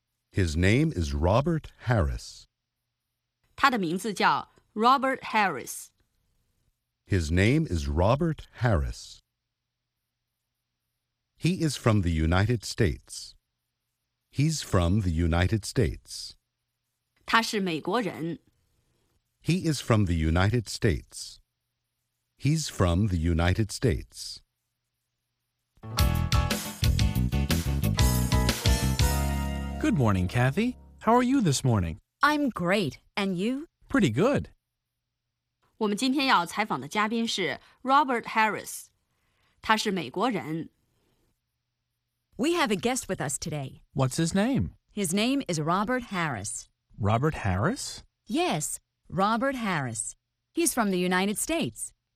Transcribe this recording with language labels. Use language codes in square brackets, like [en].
[en] His name is Robert Harris. [zh] 他的名字叫 Robert Harris. [en] His name is Robert Harris. He is from the United States. He's from the United States. [zh] 他是美国人。 [en] He is from the United States. He's from the United States. Good morning, Kathy. How are you this morning? I'm great. And you? Pretty good. [zh] 我们今天要采访的嘉宾是 Robert Harris. 他是美国人。 [en] We have a guest with us today. What's his name? His name is Robert Harris. Robert Harris? Yes, Robert Harris. He's from the United States.